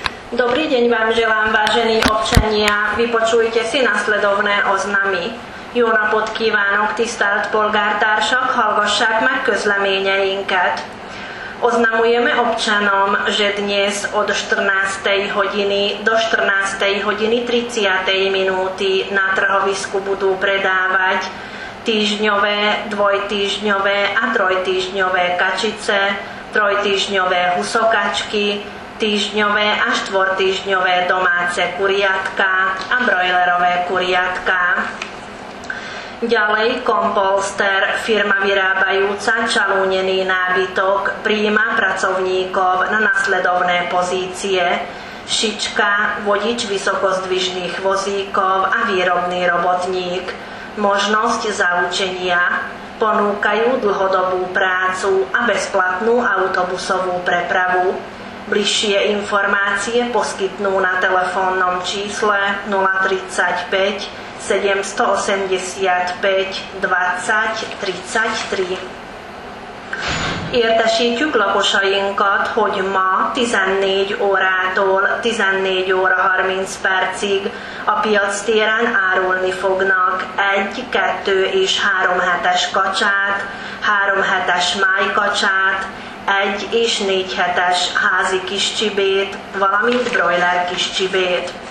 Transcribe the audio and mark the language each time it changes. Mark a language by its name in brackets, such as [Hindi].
[Slovak] Dobrý deň vám želám, vážení občania. Vypočujte si nasledovné oznamy. [Hungarian] Jó napot kívánok, tisztelt polgártársak, hallgassák meg közleményeinket. [Slovak] Oznamujeme občanom, že dnes od 14. hodiny do 14. hodiny 30. minúty na trhovisku budú predávať týždňové, dvojtýždňové a trojtýždňové kačice, trojtýždňové husokačky, týždňové a štvortýždňové domáce kuriatka a brojlerové kuriatka. Ďalej Kompolster, firma vyrábajúca čalúnený nábytok, prijíma pracovníkov na nasledovné pozície. Šička, vodič vysokozdvižných vozíkov a výrobný robotník. Možnosť zaučenia. Ponúkajú dlhodobú prácu a bezplatnú autobusovú prepravu. Bližšie informácie poskytnú na telefónnom čísle 035 785 20 33. [Hungarian] Értesítjük lakosainkat, hogy ma 14 órától 14 óra 30 percig a piac téren árulni fognak 1, 2 és 3 hetes kacsát, 3 hetes májkacsát, 1 és 4 hetes házi kis csibét, valamint brojler kis csibét.